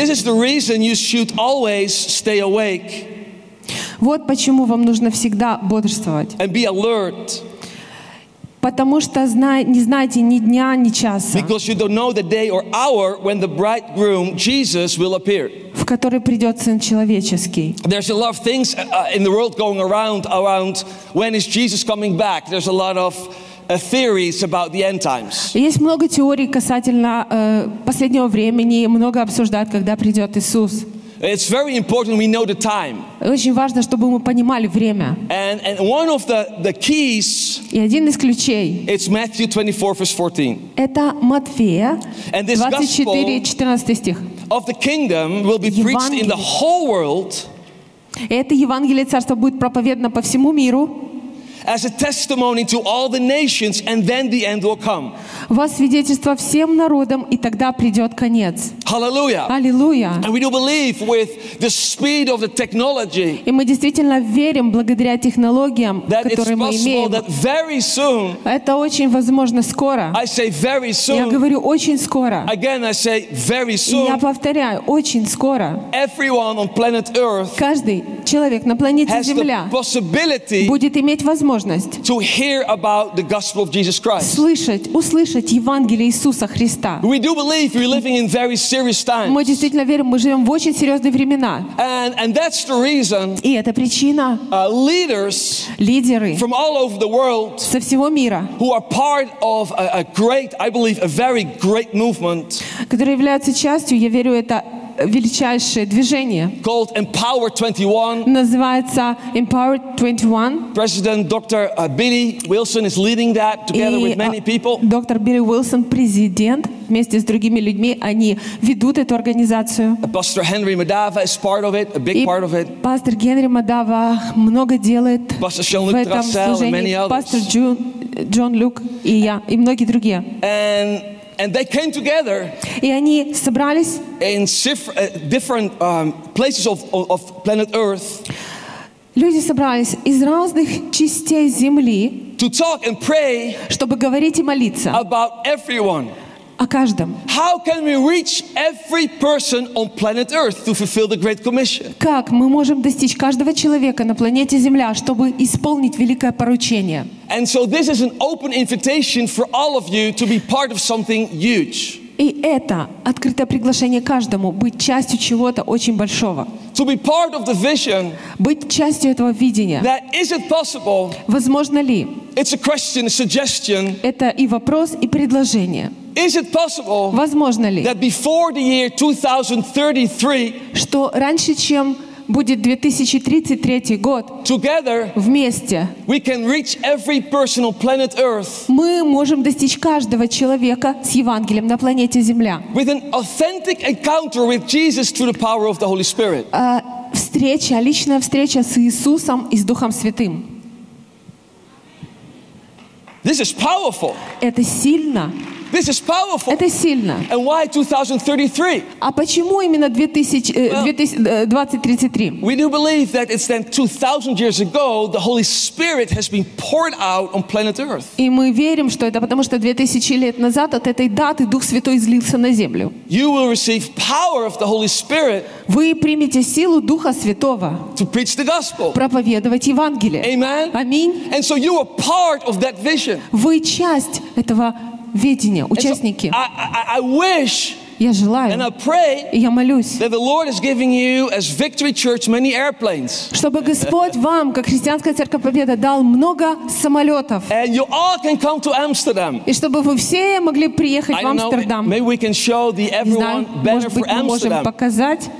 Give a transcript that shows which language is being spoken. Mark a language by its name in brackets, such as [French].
[English] This is the reason you should always stay awake. [Russian] Вот почему вам нужно всегда бодрствовать. [English] And be alert. [Russian] Потому что не знаете ни дня, ни часа. [English] Because you don't know the day or hour when the bridegroom Jesus will appear. [Russian] В который придет Сын Человеческий. [English] There's a lot of things in the world going around when is Jesus coming back. There's a lot of theories about the end times. [Russian] Есть много теорий касательно последнего времени, много обсуждают, когда придет Иисус. [English] It's very important we know the time. [Russian] Очень важно, чтобы мы понимали время. [English] And one of the keys. [Russian] И один из ключей. [English] It's Matthew 24 verse 14. [Russian] Это Матфея. [English] And this [Russian] 24, 14 стих. [English] Of the kingdom will be [Russian] Евангелие. [English] Preached in the whole world. [Russian] Это Евангелие царства будет проповедано по всему миру. [English] As a testimony to all the nations, and then the end will come. [Russian] Во свидетельство всем народам, и тогда придет конец. [English] Hallelujah. Hallelujah. And we do believe with the speed of the technology. [Russian] И мы действительно верим благодаря технологиям, которые мы имеем. [English] That very soon. [Russian] Это очень возможно скоро. [English] I say very soon. [Russian] Я говорю очень скоро. [English] Again, I say very soon. [Russian] Я повторяю очень скоро. [English] Everyone on planet Earth. [Russian] Каждый человек на планете Земля. [English] Has the possibility. [Russian] Будет иметь возможность. [English] To hear about the gospel of Jesus Christ. [Russian] Слышать, услышать Евангелие Иисуса Христа. [English] We do believe we're living in very serious times. [Russian] Мы действительно верим, мы живем в очень серьезные времена. [English] And that's the reason. [Russian] И это причина. [English] Leaders. [Russian] Лидеры. [English] From all over the world. [Russian] Со всего мира. [English] Who are part of a great, I believe, a very great movement. [Russian] Которые являются частью, я верю, это величайшее движение. [English] Called Empower 21. [Russian] Называется Empower 21. [English] President Dr. Billy Wilson is leading that together with many people. [Russian] Доктор Билли Уилсон, президент, вместе с другими людьми, они ведут эту организацию. [English] Pastor Henry Madava is part of it, a big part of it. [Russian] Пастор Генри Мадава много делает. [English] Pastor Jean-Luc Trassel and many others. [Russian] Пастор Джон Люк и я и многие другие. [English] And they came together. [Russian] И они собрались [English] in different places of planet Earth. [Russian] Люди собрались из разных частей Земли. [English] To talk and pray. [Russian] Чтобы говорить и молиться. [English] About everyone. [Russian] О каждом. [English] How can we reach every person on planet Earth to fulfill the Great Commission? [Russian] Как мы можем достичь каждого человека на планете Земля, чтобы исполнить великое поручение? [English] And so this is an open invitation for all of you to be part of something huge. [Russian] И это открытое приглашение каждому быть частью чего-то очень большого. [English] To be part of the vision. [Russian] Быть частью этого видения. [English] That is it possible? [Russian] Возможно ли? [English] It's a question, a suggestion. [Russian] Это и вопрос, и предложение. [English] Is it possible? [Russian] Возможно ли? [English] That before the year 2033. [Russian] Что раньше, чем будет 2033 год. [English] Together, [Russian] вместе. [English] We can reach every person on planet Earth. [Russian] Мы можем достичь каждого человека с Евангелием на планете Земля. [English] With an authentic encounter with Jesus through the power of the Holy Spirit. [Russian] Встреча, личная встреча с Иисусом и с Духом Святым. [English] This is powerful. [Russian] Это сильно. [English] This is powerful. [Russian] Это сильно. [English] And why 2033? [Russian] А почему именно 2033? [English] We do believe that it's then 2,000 years ago the Holy Spirit has been poured out on planet Earth. [Russian] И мы верим, что это потому что 2000 лет назад от этой даты Дух Святой излился на землю. [English] You will receive power of the Holy Spirit. [Russian] Вы примете силу Духа Святого. [English] To preach the gospel. [Russian] Проповедовать Евангелие. [English] Amen. [Russian] Аминь. [English] And so you are part of that vision. [Russian] Вы часть этого. Видение, участники. [English] So I wish, [Russian] я желаю, [English] and I pray, [Russian] и я молюсь, [English] that the Lord is giving you as Victory Church many airplanes. [Russian] Чтобы Господь вам, как христианская церковь Победа, дал много самолетов. [English] And you all can come to Amsterdam. [Russian] И чтобы вы все могли приехать в Амстердам. [English] Maybe we can show the everyone banner for Amsterdam. [Russian] Может быть, мы можем показать?